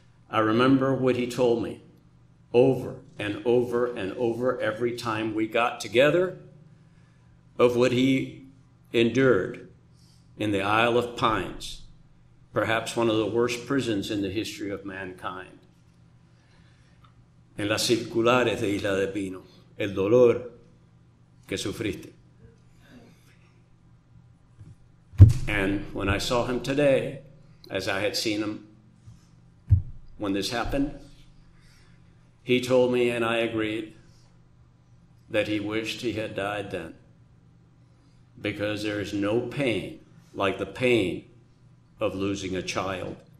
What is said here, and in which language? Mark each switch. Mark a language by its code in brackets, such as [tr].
[en] I remember what he told me over and over and over every time we got together of what he endured in the Isle of Pines, perhaps one of the worst prisons in the history of mankind. [es] En las circulares de Isla de Pino, el dolor que sufriste. [en] And when I saw him today, as I had seen him when this happened, he told me, and I agreed, that he wished he had died then, because there is no pain like the pain of losing a child.